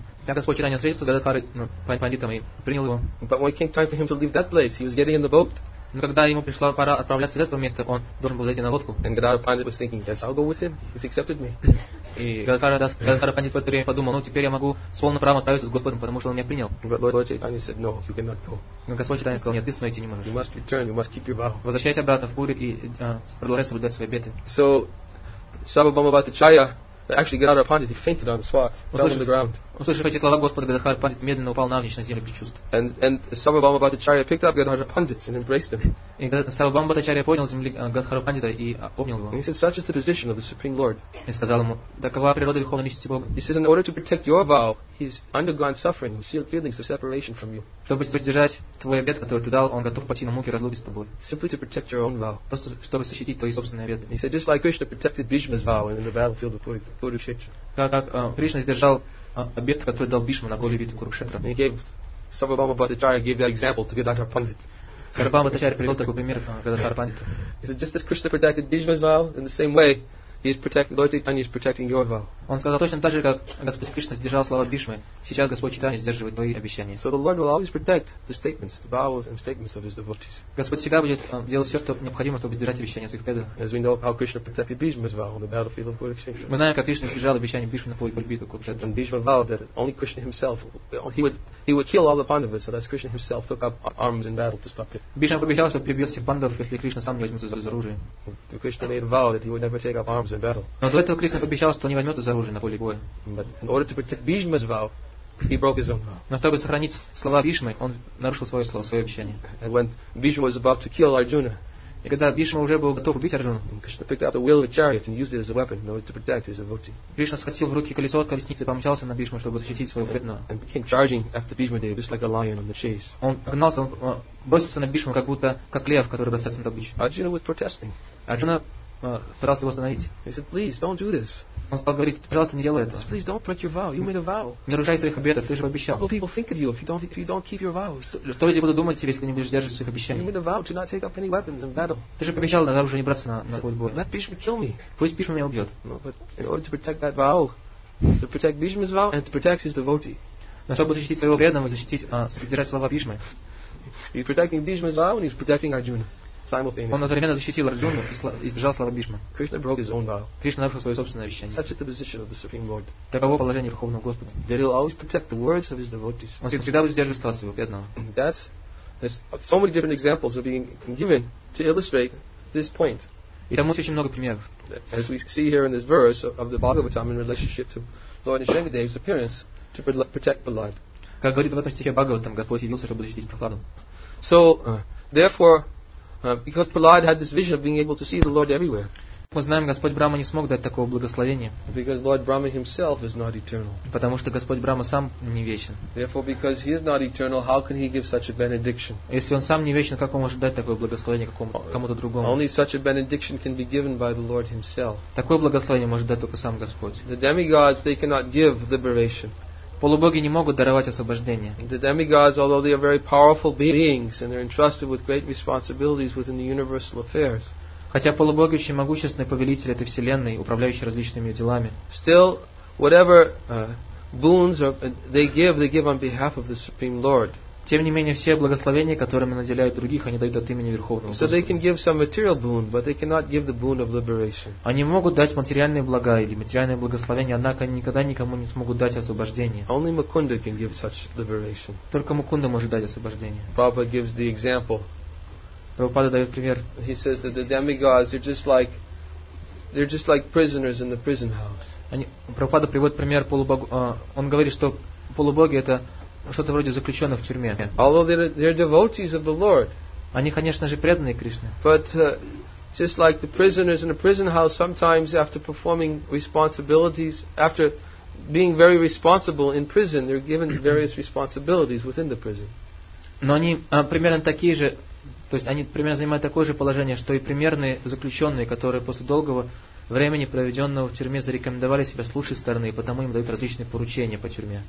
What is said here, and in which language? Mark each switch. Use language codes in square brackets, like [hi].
[ru] Так Господь Чайтанья встретился с Гададхарой Пандитом и принял его. [en] But when it came time for him to leave that place, he was getting in the boat. [ru] Но когда ему пришла пора отправляться из этого места, он должен был зайти на лодку. [en] And Gadadhara Pandit was thinking, yes, I'll go with him. He's accepted me. [ru] И Гададхара Пандит в это время подумал, ну теперь я могу с полным правом отправиться с Господом, потому что он меня принял. [en] But Lord Chaitanya said, no, you cannot go. [ru] Но Господь Чайтанья сказал, нет, ты со мной идти не можешь. [en] You must return, you must keep your vow. [ru] Возвращайся обратно в Пури и продолжай соблюдать свои обеты. [en] So, Сабхабхама Бхаттачарья Actually, Gadadhara Pandit, he fainted on the spot, fell on the ground. [ru] Услышав эти слова Господа, Гададхара Пандит медленно упал навзничь на землю без чувств. [en] And Sarvabhauma Bhattacharya picked up Gadadhara Pandit and embraced him. [ru] И Сарвабхаума Бхаттачарья поднял с земли Гададхара Пандита и обнял его. [en] And he said, such is the position of the Supreme Lord. [ru] И сказал ему, такова природа Верховной Личности Бога. [en] He says, in order to protect your vow, he's undergone suffering and sealed feelings of separation from you. [ru] Чтобы поддержать твой обет, который ты дал, он готов пойти на муки разлуки с тобой. [en] Simply to protect your own vow. [ru] Просто чтобы защитить твои собственные обеты. [en] He said, just like Krishna protected Bhishma's vow in the battlefield of Kurukshetra. [ru] Как Кришна сдержал обет, который дал Бишма на поле битвы Курукшетра. [en] He gave Сарвабхаума Бхаттачарья gave that example to Gadadhara Pandit. [ru] Сарвабхаума Бхаттачарья привел такой пример Гададхара Пандиту. [en] He said, just as Krishna protected Bhishma's vow in the same way. He's protecting Lord Chaitanya is protecting your vow. [ru] Он сказал точно так же, как Господь Кришна сдержал слова Бишмы. Сейчас Господь Чайтанья сдерживает твои обещания. [en] So the Lord will always protect the statements, the vows and statements of his devotees. [ru] Господь всегда будет делать все, что необходимо, чтобы сдержать обещания своих преданных. [en] As we know how Krishna protected Bhishma's vow on the battlefield of Kurukshetra. [ru] Мы знаем, как Кришна сдержал обещание Бишмы на поле битвы Курукшетра. [en] And Bhishma vowed that only Krishna himself he would kill all the Pandavas unless Krishna himself took up arms in battle to stop it. [ru] Бишма пообещал, что прибьет всех Пандавов, если Кришна сам не возьмется за оружие. [en] Krishna made a vow that he would never take up arms. [ru] Но до этого Кришна пообещал, что не возьмет за оружие на поле боя. [en] But in order to protect Bhishma's vow, he broke his own vow. [ru] Но чтобы сохранить слова Бишмы, он нарушил свое слово, свое обещание. [en] And when Bhishma was about to kill Arjuna, [ru] и когда Бишма уже был готов убить Арджуну, [en] Кришна picked up the wheel of a chariot and used it as a weapon in order to protect his devotee. [ru] Кришна схватил в руки колесо от колесницы и помчался на Бишму, чтобы защитить своего преданного. [en] And came charging after Bhishma Dev, just like a lion on the chase. [ru] Он гнался, бросился на Бишму, как будто как лев, который бросается на добычу. [en] Arjuna was protesting. [ru] Арджуна пытался его остановить. [en] He said, please, don't do this. [ru] Он стал говорить, пожалуйста, не делай этого. [en] Please don't break your vow. You made a vow. [ru] Не нарушай своих обетов, ты же обещал. [en] What will people think of you if you don't keep your vows? [ru] Что люди будут думать о тебе, если не будешь держать своих обещаний? [en] You made a vow to not take up any weapons in battle. [ru] Ты же обещал на оружие не браться на поле боя. [en] Let Bhishma kill me. [ru] Пусть Бишма меня убьет. [en] No, but in order to protect that vow, to protect Bishma's vow and to protect his devotee. [ru] Но чтобы защитить своего преданного, защитить, сдержать слова Бишмы. [en] He's protecting Bishma's vow and he's protecting Arjuna. [ru] Он одновременно защитил Арджуну и сдержал слова Бишмы. [en] Krishna broke his own vow. [ru] Кришна нарушил свое собственное обещание. [en] Such is the position of the Supreme Lord. [ru] Таково положение Верховного Господа. [en] That he'll always protect the words of his devotees. [ru] Он всегда будет сдерживать слова своего преданного. [en] There's so many different examples are being given to illustrate this point. [ru] И там очень много примеров. [en] As we see here in this verse of the Bhagavatam in relationship to Lord Nishangadev's appearance to protect Prahlad. [ru] Как говорится в этом стихе Бхагаватам, Господь явился, чтобы защитить Прохладу. [en] So, therefore. Because Prahlad had this vision of being able to see the Lord everywhere. [ru] Мы знаем, Господь Брама не смог дать такого благословения. [en] Because Lord Brahma himself is not eternal. [ru] Потому что Господь Брама сам не вечен. [en] Therefore, because he is not eternal, how can he give such a benediction? [ru] Если он сам не вечен, как он может дать такое благословение кому-то другому? [en] Only such a benediction can be given by the Lord himself. [ru] Такое благословение может дать только сам Господь. [en] The demigods, they cannot give liberation. [ru] Полубоги не могут даровать освобождение. [en] The demigods, although they are very powerful beings and they're entrusted with great responsibilities within the universal affairs. [ru] Хотя полубоги очень могущественные повелители этой вселенной, управляющие различными делами. [en] Still, whatever boons they give on behalf of the Supreme Lord. [ru] Тем не менее, все благословения, которыми наделяют других, они дают от имени Верховного Господа. [en] So they can give some material boon, but they cannot give the boon of liberation. [ru] Они могут дать материальные блага или материальные благословения, однако они никогда никому не смогут дать освобождение. [en] Only Mukunda can give such liberation. [ru] Только Мукунда может дать освобождение. [en] Prabhupada gives the example. [ru] Прабхупада дает пример. [en] He says that the demigods, they're just like prisoners in the prison house. [ru] Прабхупада приводит пример полубогу. Он говорит, что полубоги это что-то вроде заключенных в тюрьме. [en] Although they're devotees of the Lord. [ru] Они, конечно же, преданные Кришне. [en] But just like the prisoners in a prison house, sometimes after performing responsibilities, after being very responsible in prison, they're given various responsibilities within the prison. [ru] Но они примерно такие же, то есть они примерно занимают такое же положение, что и примерные заключенные, которые после долгого времени, проведенного в тюрьме, зарекомендовали себя с лучшей стороны, и потому им дают различные поручения по тюрьме.